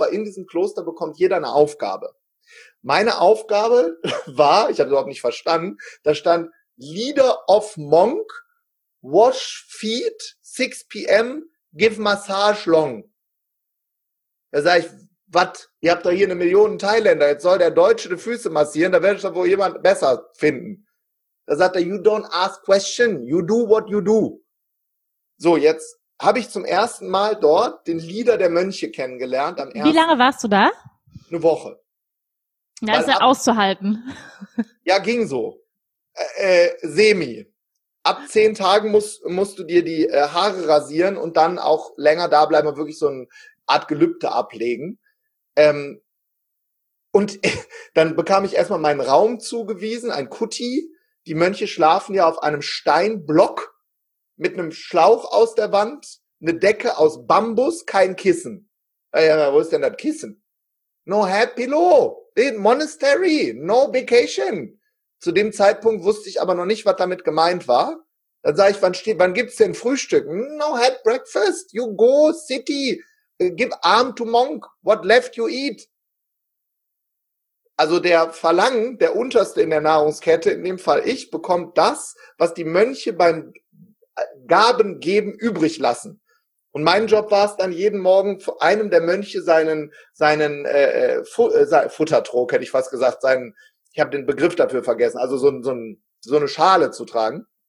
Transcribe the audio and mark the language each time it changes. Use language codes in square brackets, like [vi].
[de] Weil in diesem Kloster bekommt jeder eine Aufgabe. Meine Aufgabe war, ich habe überhaupt nicht verstanden, da stand [en] Leader of Monk, wash feet, 6 p.m., give massage long. [de] Da sage ich, was, ihr habt doch hier eine Million Thailänder, jetzt soll der Deutsche die Füße massieren, da werde ich doch wohl jemand besser finden. Da sagt er, [en] you don't ask question, you do what you do. [de] So, jetzt habe ich zum ersten Mal dort den Leader der Mönche kennengelernt. Am ersten. Wie lange warst du da? Eine Woche. Ja, ist ja auszuhalten. Ja, ging so. Semi. Ab 10 Tagen musst du dir die Haare rasieren und dann auch länger da bleiben und wirklich so eine Art Gelübde ablegen. Dann bekam ich erstmal meinen Raum zugewiesen, ein Kutti. Die Mönche schlafen ja auf einem Steinblock mit einem Schlauch aus der Wand, eine Decke aus Bambus, kein Kissen. Wo ist denn das Kissen? [en] No head pillow. In Monastery, no vacation. [de] Zu dem Zeitpunkt wusste ich aber noch nicht, was damit gemeint war. Dann sage ich, wann gibt's denn Frühstück? [en] No head breakfast, you go city, give arm to monk, what left you eat? [de] Also der Verlangen, der Unterste in der Nahrungskette, in dem Fall ich, bekommt das, was die Mönche beim Gabengeben übrig lassen. Und mein Job war es dann, jeden Morgen vor einem der Mönche seinen Futtertrog, hätte ich fast gesagt, ich habe den Begriff dafür vergessen, also so eine Schale zu tragen.